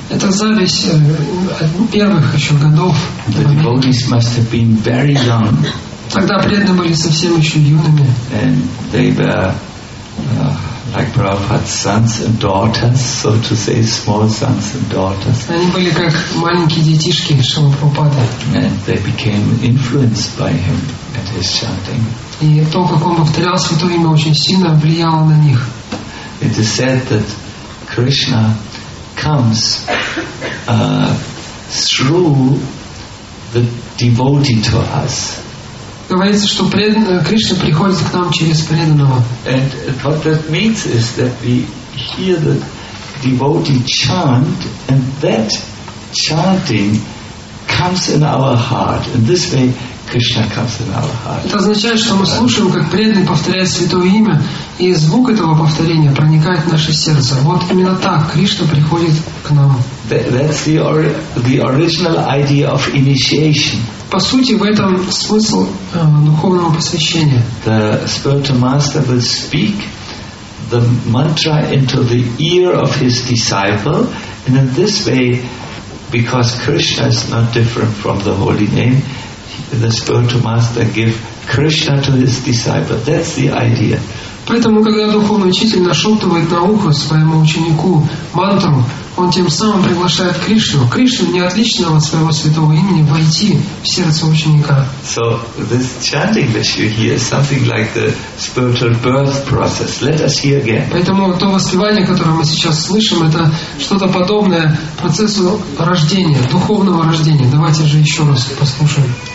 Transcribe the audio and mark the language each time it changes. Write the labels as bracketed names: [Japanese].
[Russian] Это запись первых еще годов. [English] The devotees must have been very young. [Russian] Тогда преданные были совсем еще юными. [English] And they were like Prabhupada's sons and daughters, so to say, small sons and daughters. [Russian] Они были как маленькие детишки Шрилы Прабхупады. [English] And they became influenced by him and his chanting. [Russian] И то, как он повторял святое имя, очень сильно влияло на них. [English] It is said that Krishna comes through the devotee to us. [Russian] Говорится, что Кришна приходит к нам через преданного. [English] And what that means is that we hear that devotee chant, and that chanting comes in our heart. In this way, Krishna comes in our heart. [Russian] Это означает, что мы слушаем, как преданный повторяет святое имя, и звук этого повторения проникает в наше сердце. Вот именно так Кришна приходит к нам. [English] That's the original idea of initiation. [Russian] По сути, в этом смысл духовного посвящения. [English] The spiritual master will speak the mantra into the ear of his disciple, and in this way, because Krishna is not different from the holy name, the spiritual master give Krishna to his disciple. That's the idea. [Russian] Поэтому, когда духовный учитель нашептывает на ухо своему ученику мантру, он тем самым приглашает Кришну. Кришну не отличного от своего святого имени войти в сердце ученика. [English] So this chanting that you hear is something like the spiritual birth process. Let us hear again. [Russian] Поэтому то воспевание, которое мы сейчас слышим, это что-то подобное процессу рождения, духовного рождения. Давайте же еще раз послушаем.